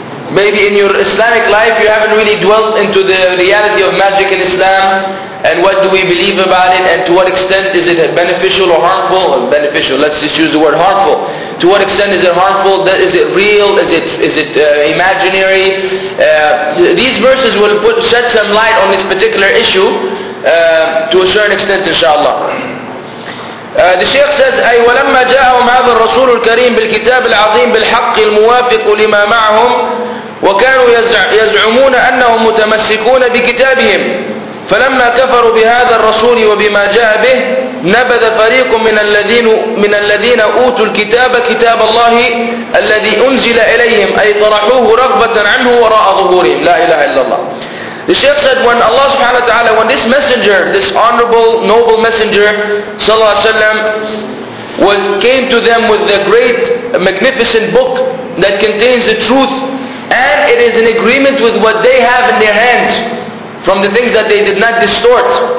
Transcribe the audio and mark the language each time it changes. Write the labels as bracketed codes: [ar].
[en] Maybe in your Islamic life you haven't really dwelt into the reality of magic in Islam, and what do we believe about it, and to what extent is it beneficial or harmful? Beneficial, let's just use the word harmful. To what extent is it harmful? Is it real? Is it imaginary? These verses will shed some light on this particular issue to a certain extent, inshallah. The Shaykh says, [ar] أي ولما جاءهم هذا الرسول الكريم بالكتاب العظيم بالحق الموافق لما معهم وكانوا يزعمون أنهم متمسكون بكتابهم فلما كفروا بهذا الرسول وبما جاء به نبذ فريق من الذين أوتوا الكتاب كتاب الله الذي أنزل إليهم أي طرحوه رغبة عنه وراء ظهورهم. لا إله إلا الله. [en] The Shaykh said, when Allah subhanahu wa ta'ala, when this messenger, this honorable, noble messenger, sallallahu alayhi wa sallam, came to them with the great, magnificent book that contains the truth, and it is in agreement with what they have in their hands, from the things that they did not distort.